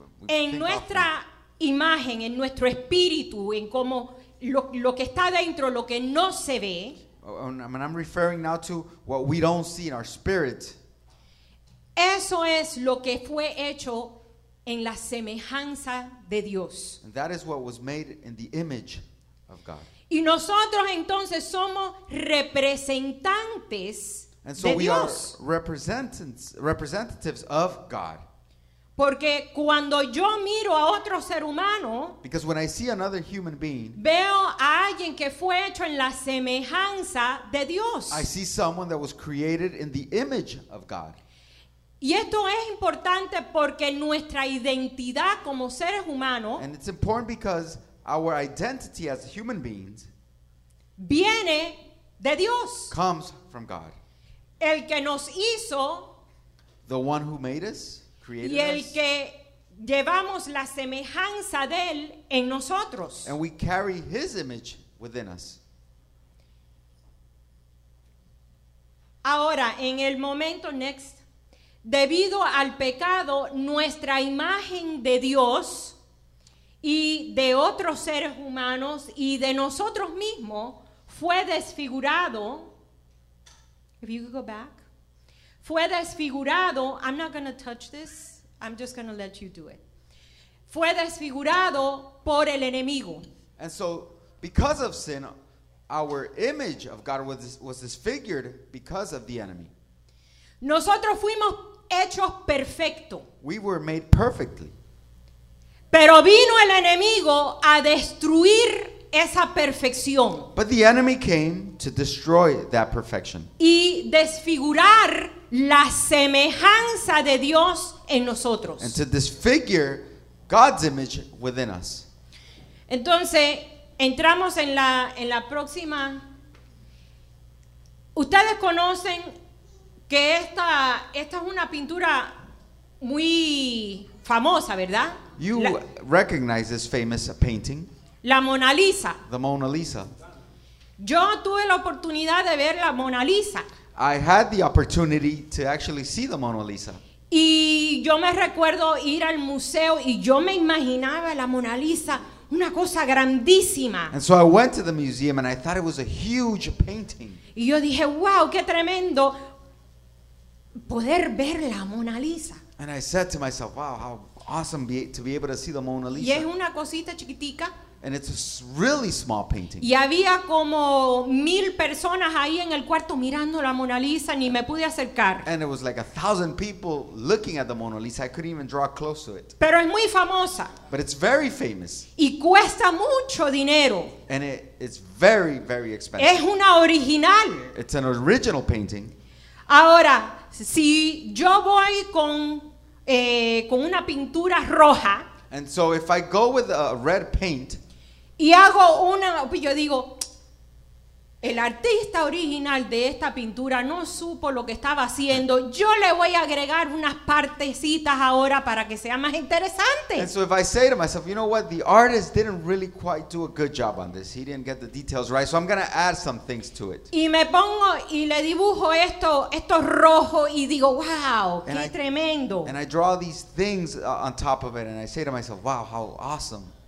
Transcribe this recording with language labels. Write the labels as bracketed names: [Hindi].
[Spanish] En nuestra imagen, en nuestro espíritu, en cómo lo que está dentro, lo que no se ve. [English] And I'm referring now to what we don't see in our spirit. [Spanish] Eso es lo que fue hecho en la semejanza de Dios. [English] And that is what was made in the image of God. [Spanish] Y nosotros entonces somos representantes [English] and so [Spanish] de [English] we [Spanish] Dios. [English] Are representatives of God. [Spanish] Porque cuando yo miro a otro ser humano, [English] because when I see another human being, [Spanish] veo a alguien que fue hecho en la semejanza de Dios. [English] I see someone that was created in the image of God. [Spanish] Y esto es importante porque nuestra identidad como seres humanos, [English] and it's important because our identity as human beings, [Spanish] viene de Dios. [English] Comes from God. [Spanish] El que nos hizo, [English] the one who made us, created [Spanish] y el [English] us, [Spanish] que llevamos la semejanza de él en nosotros. [English] And we carry his image within us. [Spanish] Ahora, en el momento next, debido al pecado, nuestra imagen de Dios y de otros seres humanos y de nosotros mismos fue desfigurado. [English] If you could go back. [Spanish] Fue desfigurado. [English] I'm not going to touch this. I'm just going to let you do it. [Spanish] Fue desfigurado por el enemigo. [English] And so, because of sin, our image of God was disfigured because of the enemy. [Spanish] Nosotros fuimos hechos perfecto. [English] We were made perfectly. [Spanish] Pero vino el enemigo a destruir esa perfección. [English] But the enemy came to destroy that perfection. [Spanish] Y desfigurar la semejanza de Dios en nosotros. [English] And to disfigure God's image within us. [Spanish] Entonces, entramos en la próxima. Ustedes conocen que esta es una pintura muy famosa, ¿verdad? [English] You recognize this famous painting. [Spanish] La Mona Lisa. [English] The Mona Lisa. [Spanish] Yo tuve la oportunidad de ver la Mona Lisa. [English] I had the opportunity to actually see the Mona Lisa. [Spanish] Y yo me recuerdo ir al museo y yo me imaginaba la Mona Lisa una cosa grandísima. [English] And so I went to the museum and I thought it was a huge painting. [Spanish] Y yo dije, wow, qué tremendo poder ver la Mona Lisa. [English] And I said to myself, wow, how awesome to be able to see the Mona Lisa. [Spanish] Y es una cosita chiquitica. [English] And it's a really small painting. [Spanish] Y había como 1,000 personas ahí en el cuarto mirando la Mona Lisa, ni me pude acercar. [English] And it was like 1,000 people looking at the Mona Lisa. I couldn't even draw close to it. [Spanish] Pero es muy famosa. [English] But it's very famous. [Spanish] Y cuesta mucho dinero. [English] And it's very, very expensive. [Spanish] Es una original. [English] It's an original painting. [Spanish] Ahora, si yo voy con una pintura roja. [English] And so if I go with a red paint. [Spanish] Y hago una, yo digo, el artista original de esta pintura no supo lo que estaba haciendo. Yo le voy a agregar unas partecitas ahora para que sea más interesante. [English] And so if I say to myself, you know what, the artist didn't really quite do a good job on this. He didn't get the details right, so I'm going to add some things to it. [Spanish] Y me pongo y le dibujo esto rojo y digo, wow, qué tremendo. [English] And I draw these things on top of it and I say to myself, wow, how awesome.